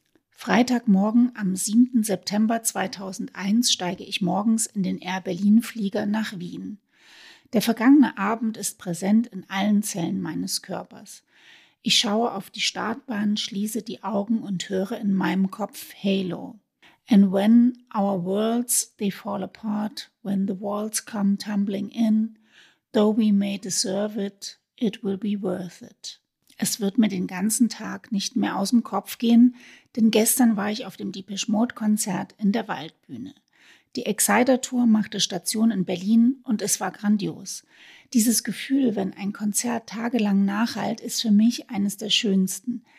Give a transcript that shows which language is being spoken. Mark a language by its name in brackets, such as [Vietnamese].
[German] Freitagmorgen am 7. September 2001 steige ich morgens in den Air Berlin-Flieger nach Wien. Der vergangene Abend ist präsent in allen Zellen meines Körpers. Ich schaue auf die Startbahn, schließe die Augen und höre in meinem Kopf Halo. [English] And when our worlds, they fall apart, when the walls come tumbling in, though we may deserve it, it will be worth it. [German] Es wird mir den ganzen Tag nicht mehr aus dem Kopf gehen, denn gestern war ich auf dem Depeche Mode Konzert in der Waldbühne. Die Exciter Tour machte Station in Berlin und es war grandios. Dieses Gefühl, wenn ein Konzert tagelang nachhallt, ist für mich eines der schönsten.